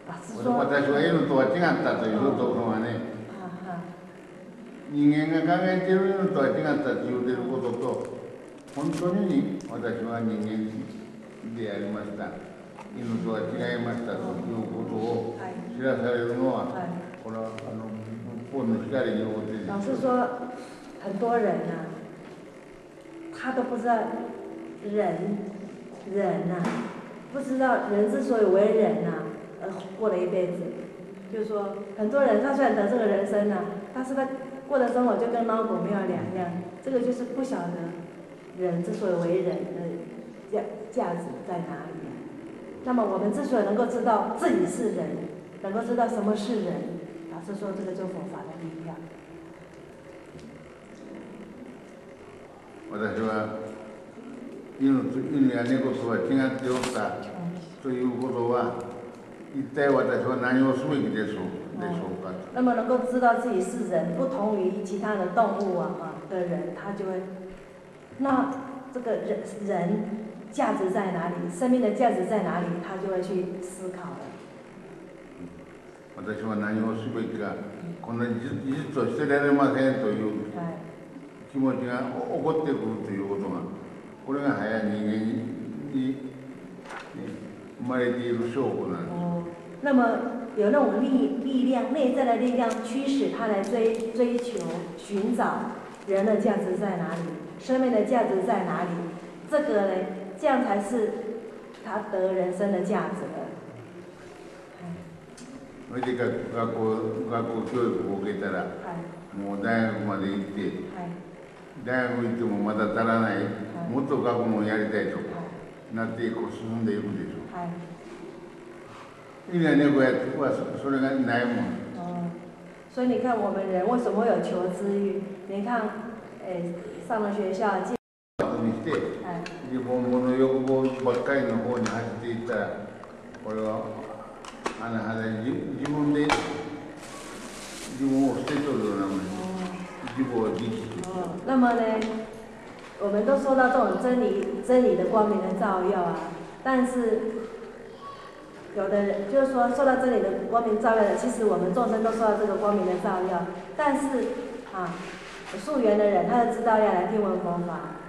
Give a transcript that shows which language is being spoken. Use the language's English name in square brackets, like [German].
[Japanese] 私は犬とは違ったというところはね。人間が考えている犬とは違ったと言っていることと、本当に私は人間でありました。犬とは違いましたということを知らされるのは、これは仏法の光によって。 [Chinese] 老师说，很多人呢。他都不知道人，人啊，不知道人之所以为人啊，过了一辈子，就是说很多人他虽然得这个人生啊，但是他过的生活就跟猫狗没有两样，这个就是不晓得人之所以为人的价值在哪里、那么我们之所以能够知道自己是人，能够知道什么是人，老师说这个就佛法的力量。 [Japanese] 私は犬や猫とは違っておったということは、一体私は何をすべきでしょうか。 [Chinese] 那么能够知道自己是人，不同于其他的动物啊的人，他就会，那这个人价值在哪里，生命的价值在哪里，他就会去思考了。 [Japanese] 私は何をすべきか、こんなにじっとしてられませんという。気持ちが起こってくるということが、これが早い人間に生まれている証拠なんです。 [Chinese] 那么有那种力量、内在的力量驱使他来追求、寻找人的价值在哪里，生命的价值在哪里？这个呢，这样才是他得人生的价值的。我这个 [Japanese] 学校教育受けたら、もう大学まで行って。大学行ってもまだ足らない、もっと学問をやりたいとか、なっていく進んでいくでしょう。犬や猫やってはそれがないもん。 [Chinese] 所以你看我们人为什么有求知欲？你看，上了学校，进。 [Japanese] にして、自分の欲望ばっかりの方に走っていったら、これは、あなたは自分で自分を捨てとるようなもの、自分を自知する。 [Chinese] 那么呢、我们都受到这种真理、真理的光明的照耀啊。但是、有的人就是说受到真理的光明照耀的，其实我们众生都受到这个光明的照耀。但是、啊、素缘的人他就知道要来听闻佛法。